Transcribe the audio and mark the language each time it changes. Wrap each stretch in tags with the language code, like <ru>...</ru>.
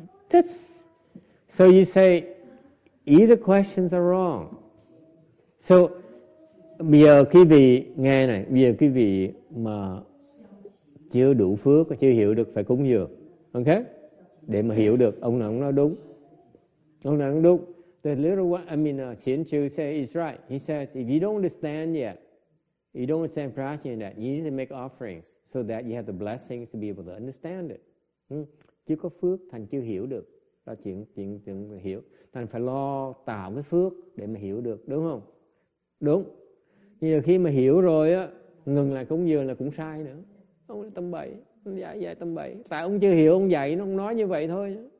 <en>That's so you say either questions are wrong.</en> <vi>So bây giờ quý vị nghe này, bây giờ quý vị mà chưa đủ phước, chưa hiểu được phải cúng dường. Okay? Để mà hiểu được ông nào cũng nói đúng. Ông nào cũng đúng.</vi> <en>The little one, I mean, Chien Chu say is right. He says, if you don't understand yet, you don't understand practicing that, you need to make offerings so that you have the blessings to be able to understand it.</en> <vi>Chứ có phước, thành chưa hiểu được. Đó chuyện hiểu. Thành phải lo tạo cái phước để mà hiểu được, đúng không? Đúng. Nhưng khi mà hiểu rồi, á, ngừng lại cúng dường là cũng sai nữa. Ông tâm bậy, ông dạy tâm bậy. Tại ông chưa hiểu, ông dạy, nó không nói như vậy thôi.</vi>